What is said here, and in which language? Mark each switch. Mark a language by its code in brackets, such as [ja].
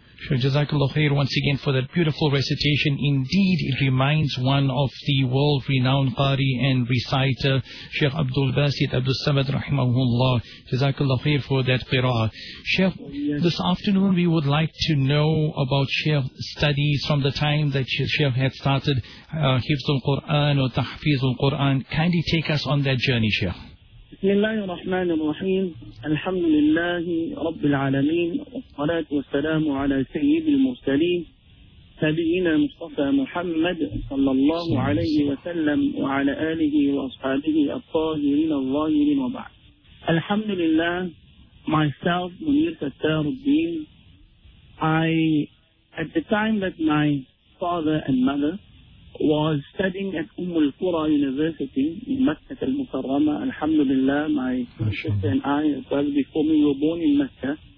[en] Jazakallah khair once again for that beautiful recitation. Indeed, it reminds one of the world-renowned Qari and reciter, Sheikh Abdul Basit Abdul Samad Rahimahullah. Jazakallah khair for that qira'ah. Sheikh, this afternoon we would like to know about Sheikh's studies from the time that Sheikh had started Hifzul Qur'an or Tahfizul Qur'an. Kindly take us on that journey, Sheikh. [ar] بسم الله الرحمن الرحيم الحمد لله رب العالمين والصلاة والسلام على سيد المرسلين نبينا مصطفى محمد صلى الله عليه وسلم وعلى آله وأصحابه الطاهرين الظاهرين وبعد. الحمد لله [en] myself Munir Sattaruddin. I at the time that my father and mother was studying at Umm al-Qura University in Makkah al-Mukarramah. Alhamdulillah, my sister and I, as well before me, were born in Makkah.